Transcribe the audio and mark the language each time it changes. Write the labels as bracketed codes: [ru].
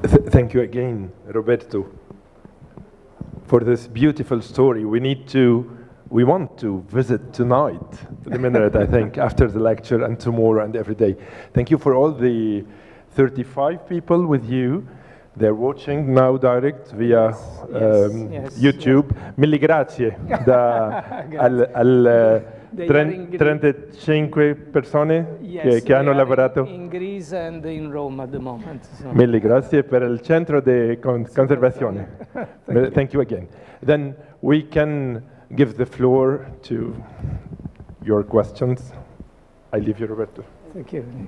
[en] Thank you again, Roberto, for this beautiful story. We want to visit tonight the minaret, I think, after the lecture and tomorrow and every day. Thank you for all the 35 people with you. They're watching now direct via YouTube. Yes. [it] Mille grazie da al 35 persone che hanno lavorato [en] in Greece and in Rome at the moment. So. [it] Mille grazie per il Centro di Conservazione. [en] Thank you again. Then we can give the floor to your questions. I leave you, Roberto. Thank you.